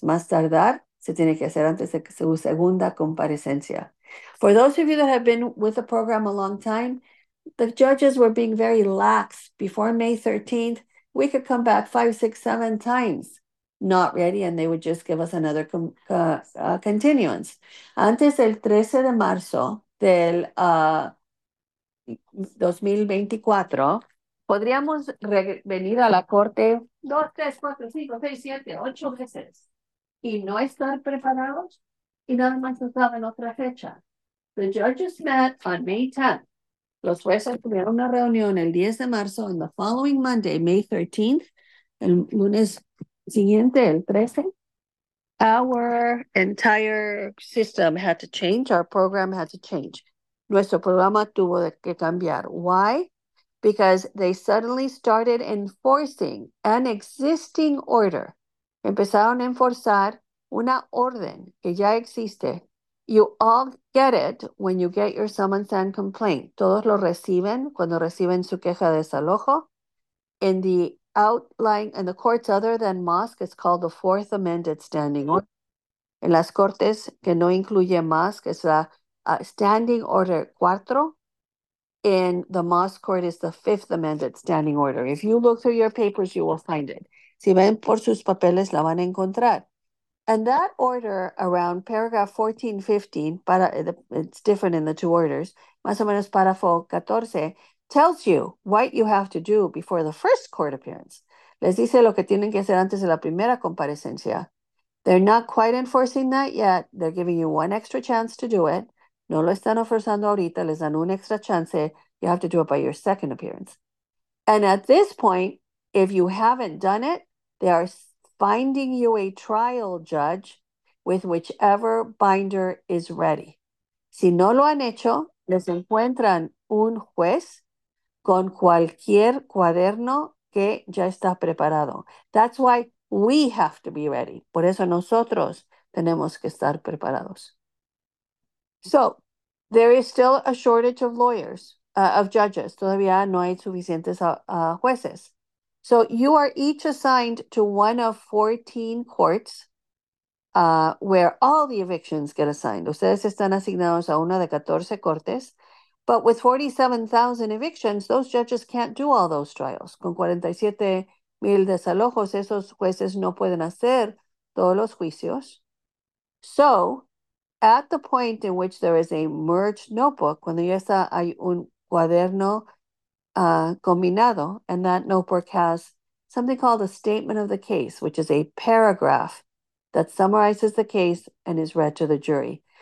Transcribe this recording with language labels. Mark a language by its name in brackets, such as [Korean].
[Spanish] Más tardar, se tiene que hacer antes de su segunda comparecencia. [English] For those of you that have been with the program a long time, The judges were being very lax. Before May 13th, we could come back five, six, seven times not ready, and they would just give us another continuance. [Spanish] Antes del 13 de marzo del 2024, podríamos re venir a la corte dos, tres, cuatro, cinco, seis, siete, ocho veces y no estar preparados y nada más estar en otra fecha. [English] The judges met on May 10th. [Spanish] Los jueces tuvieron una reunión el 10 de marzo [English] on the following Monday, May 13th, [Spanish] el lunes siguiente, el 13. [English] Our entire system had to change. Our program had to change. [Spanish] Nuestro programa tuvo que cambiar. [English] Why? Because they suddenly started enforcing an existing order. [Spanish] Empezaron a enforzar una orden que ya existe. [English] You all get it when you get your summons and complaint. [Spanish] Todos lo reciben cuando reciben su queja de desalojo. [English] In the outlying, in the courts other than Mosque, it's called the Fourth Amended Standing Order. [Spanish] En las cortes que no incluye Mosque, es la Standing Order 4. [English] In the Mosque Court is the Fifth Amended Standing Order. If you look through your papers, you will find it. [Spanish] Si ven por sus papeles, la van a encontrar. [English] And that order around paragraph 14, 15, it's different in the two orders, [Spanish] más o menos párrafo 14, [English] tells you what you have to do before the first court appearance. [Spanish] Les dice lo que tienen que hacer antes de la primera comparecencia. [English] They're not quite enforcing that yet. They're giving you one extra chance to do it. [Spanish] No lo están ofreciendo ahorita. Les dan un extra chance. [English] You have to do it by your second appearance. And at this point, if you haven't done it, they are finding you a trial judge with whichever binder is ready. [Spanish] Si no lo han hecho, les encuentran un juez con cualquier cuaderno que ya está preparado. [English] That's why we have to be ready. [Spanish] Por eso nosotros tenemos que estar preparados. [English] So, there is still a shortage of lawyers, of judges. [Spanish] Todavía no hay suficientes jueces. [English] So you are each assigned to one of 14 courts where all the evictions get assigned. [Spanish] Ustedes están asignados a una de 14 cortes, [English] but with 47,000 evictions, those judges can't do all those trials. [Spanish] Con 47,000 desalojos, esos jueces no pueden hacer todos los juicios. [English] So at the point in which there is a merged notebook, [Spanish] cuando ya está, hay un cuaderno combinado, [English] and that notebook has something called a statement of the case, which is a paragraph that summarizes the case and is read to the jury.